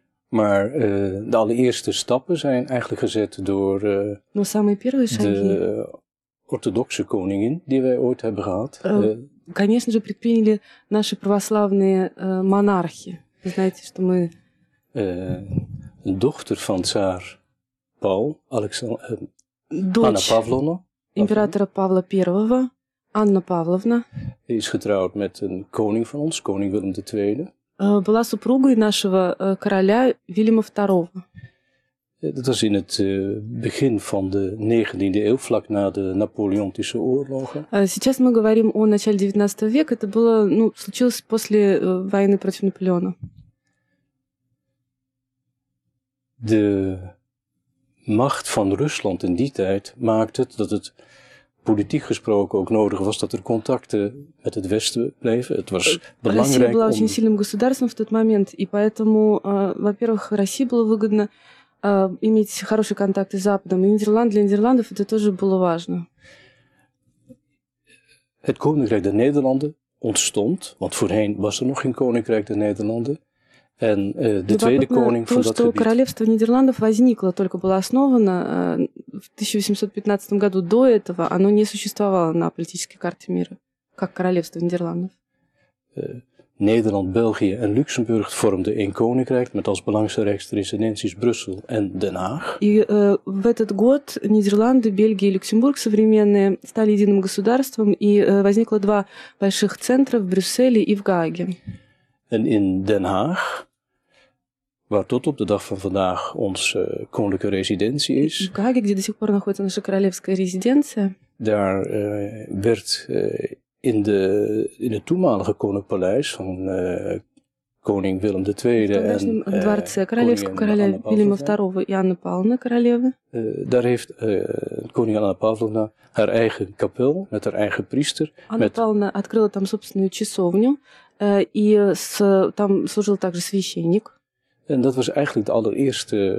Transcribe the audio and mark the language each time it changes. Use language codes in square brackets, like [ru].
[nl] Maar de allereerste stappen zijn eigenlijk gezet door de orthodoxe koningin die wij ooit hebben gehad. [ru] Конечно же, предприняли наши православные монархи. Вы знаете, что мы... Дочь фон цар Пау, Анна Павловна. Императора Павла I, Анна Павловна. [nl] Is getrouwd met een koning van ons, koning Willem II. [ru] Была супругой нашего короля Вильяма II. [nl] Dat was in het begin van de 19e eeuw, vlak na de Napoleontische oorlogen. [ru] Сейчас мы говорим о начале 19 века. Это было, ну, случилось после войны против Наполеона. [nl] De macht van Rusland in die tijd maakte het dat het politiek gesproken ook nodig was dat er contacten met het Westen bleven. Het was belangrijk. [ru] Россия была очень сильным государством в тот момент, и поэтому, во-первых, России было выгодно иметь хорошие контакты с Западом. И Нидерланд, для Нидерландов это тоже было важно. [nl] Het Koninkrijk der Nederlanden ontstond, want voorheen was er nog geen Koninkrijk der Nederlanden. En de tweede koning van dat gebied. [ru] То, что королевство Нидерландов возникло, только было основано в 1815 году. До этого оно не существовало на политической карте мира, как королевство Нидерландов. [nl] Nederland, België en Luxemburg vormden één koninkrijk met als belangrijkste residenties Brussel en Den Haag. [ru] И в этот год Нидерланды, Бельгия и Люксембург современные стали единым государством и возникло два больших центра в Брюсселе и в Гааге. [nl] En in Den Haag, waar tot op de dag van vandaag onze koninklijke residentie is. [ru] В Гааге, где до сих пор находится наша королевская резиденция. [nl] Daar werd in het toenmalige koninklijk paleis van koning Willem II en koningin Willem II en Anna Pavlovna, [ru] королевы. [nl] Daar heeft koningin Anna Pavlovna haar eigen kapel met haar eigen priester. [ru] Anna Pavlovna открыла там собственную часовню и там служил также священник. [nl] En dat was eigenlijk de allereerste.